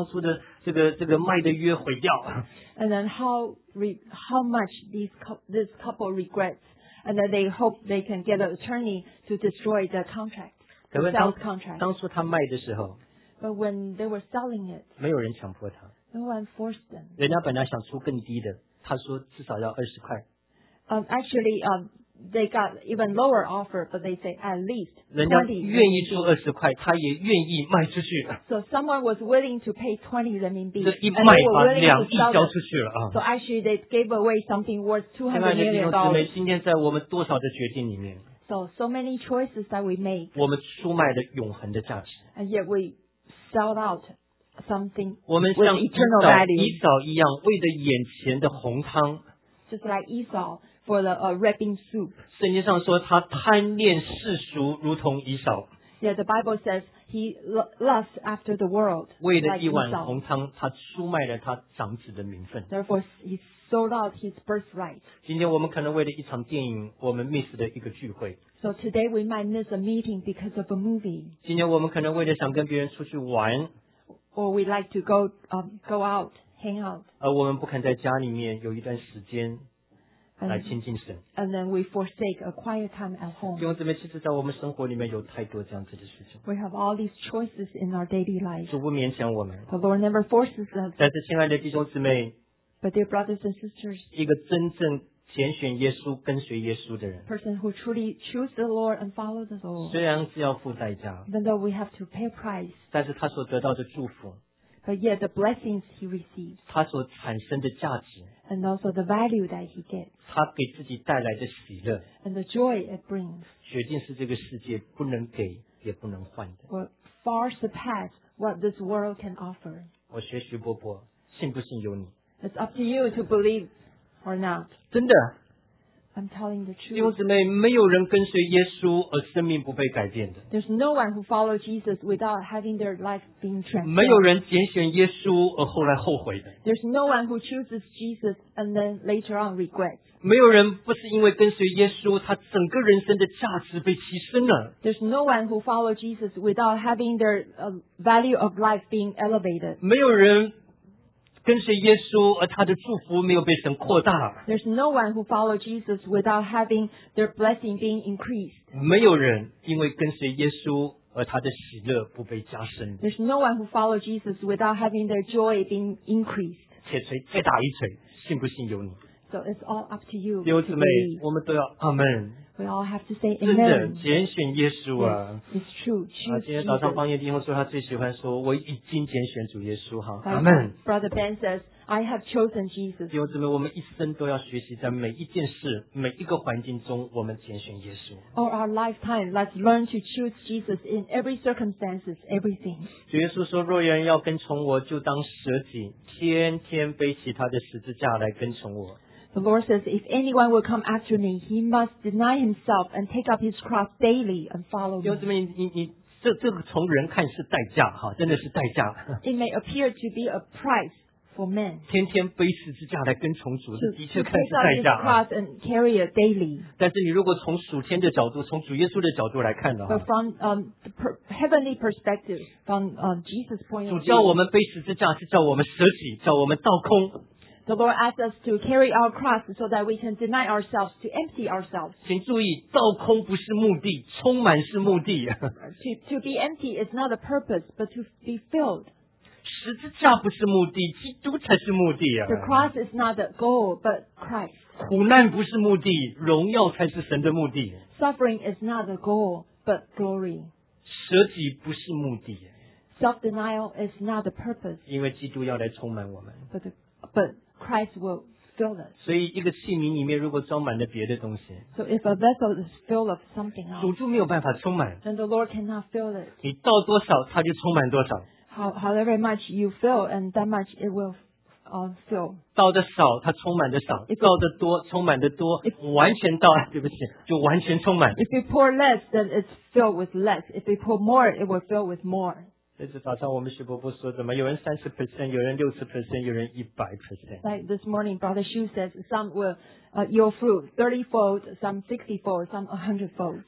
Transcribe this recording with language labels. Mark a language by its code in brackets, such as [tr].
[zh] 啊，对对，夫妇后悔的不得了不得了。他说他们说要去请律师帮忙，说把当初的这个卖的约毁掉。 [en] And then how much this couple regrets, and then they hope they can get an attorney to destroy the contract. [zh] 可是当初他卖的时候 [en] But when they were selling it, [zh] 没有人强迫他, [en] no one forced them. [zh] 人家本来想出更低的, 他说至少要20块。 [en] Actually, they got even lower offer, but they say at least 20. [zh] 人家愿意出20块，他也愿意卖出去。 [en] So someone was willing to pay 20人民币， [zh] 这一卖把两亿交出去了啊。 [en] So actually they gave away something worth $200 million. [zh] 今天在我们多少的决定里面。 [en] So many choices that we make. [zh] 我们出卖了永恒的价值。 [en] And yet we sell out something. [zh] 我们像以扫一样，为了眼前的红汤。 [en] Just like Esau for the ripping soup. [zh] 圣经上说他贪恋世俗，如同以扫。 [en] Yeah, the Bible says he lusts after the world. [zh] 为了一碗红汤，他出卖了他长子的名分。 [en] Therefore, he sold out his birthright. [zh] 今天我们可能为了一场电影，我们 miss 了一个聚会。 [en] So today we might miss a meeting because of a movie. [zh] 今天我们可能为了想跟别人出去玩。 [en] Or we like to go out, hang out. [zh] 而我们不肯在家里面有一段时间来亲近神。 [en] And then we forsake a quiet time at home. [zh] 弟兄姊妹，其实在我们生活里面有太多这样子的事情。 [en] We have all these choices in our daily life. [zh] 主不勉强我们。 [en] The Lord never forces us. [zh] 但是亲爱的弟兄姊妹。 [en] But dear brothers and sisters. [zh] 一个真正拣选耶稣、跟随耶稣的人。 [en] Person who truly choose the Lord and follow the Lord. [zh] 虽然是要付代价。 [en] Even though we have to pay a price. [zh] 但是他所得到的祝福。 [en] But yet the blessings he receives. [zh] 他所产生的价值。 [en] And also the value that he gets. [zh] 他给自己带来的喜乐。 [en] And the joy it brings. [zh] 决定是这个世界不能给，也不能换的。 [en] Will far surpass what this world can offer. [zh] 我学徐伯伯，信不信由你。 [en] It's up to you to believe. Or not. [zh] 真的。 [en] I'm telling the truth. [zh] 弟兄姊妹，没有人跟随耶稣而生命不被改变的。 [en] There's no one who follows Jesus without having their life being transformed. [zh] 没有人拣选耶稣而后来后悔的。 [en] There's no one who chooses Jesus and then later on regrets. [zh] 没有人不是因为跟随耶稣，他整个人生的价值被提升了。 [en] There's no one who follows Jesus without having their value of life being elevated. [zh] 没有人跟随耶稣，而他的祝福没有被神扩大。 [en] There's no one who follows Jesus without having their blessing being increased. [zh] 没有人因为跟随耶稣而他的喜乐不被加深。 [en] There's no one who follows Jesus without having their joy being increased. [zh] 铁锤再打一锤，信不信由你。 [en] So it's all up to you. [zh] 弟兄姊妹，我们都要阿门。 [en] We all have to say amen. [zh] 真的，拣选耶稣啊。 [en] It's true. Choose Jesus. [zh] 今天早上方言弟兄说他最喜欢说，我已经拣选主耶稣哈。阿门。 [en] Brother Ben says, I have chosen Jesus. [zh] 弟兄姊妹，我们一生都要学习，在每一件事、每一个环境中，我们拣选耶稣。 [en] All our lifetime, let's learn to choose Jesus in every circumstances, everything. [zh] 主耶稣说，若有人要跟从我，就当舍己，天天背起他的十字架来跟从我。 [en] The Lord says, if anyone will come after me, he must deny himself and take up his cross daily and follow me. [zh] 这个从人看是代价，哈，真的是代价。 [en] It may appear to be a price for men. [zh] 天天背十字架来跟从主，这的确看是代价。 [en] To take up his cross and carry it daily. [zh] 但是你如果从属天的角度，从主耶稣的角度来看的话。 [en] But from the heavenly perspective, from Jesus' point of view. [zh] 主叫我们背十字架是叫我们舍己，叫我们倒空。 [en] The Lord asks us to carry our cross so that we can deny ourselves, to empty ourselves. [zh] 请注意，倒空不是目的，充满是目的。 [en] To be empty is not a purpose, but to be filled. [zh] 十字架不是目的，基督才是目的。 [en] The cross is not the goal, but Christ. [zh] 苦难不是目的，荣耀才是神的目的。 [en] Suffering is not the goal, but glory. [zh] 舍己不是目的。 [en] Self-denial is not the purpose. [zh] 因为基督要来充满我们。 [en] But Christ will fill us. [zh] 所以一个器皿里面如果装满了别的东西， [en] so if a vessel is full of something else, [zh] 主就没有办法充满， [en] then the Lord cannot fill it. [zh] 你倒多少，他就充满多少。 [en] However much you fill, and that much it will fill. [zh] 倒的少，他充满的少；倒的多，充满的多。完全倒，对不起，就完全充满。 [en] If you pour less, then it's filled with less. If you pour more, it will fill with more. [zh] 这次早上我们徐伯伯说怎么有人 30%, 有人 60%, 有人 100%. [en] Like this morning, Brother Xu says, some will yield fruit 30-fold, some 60-fold, some 100-fold.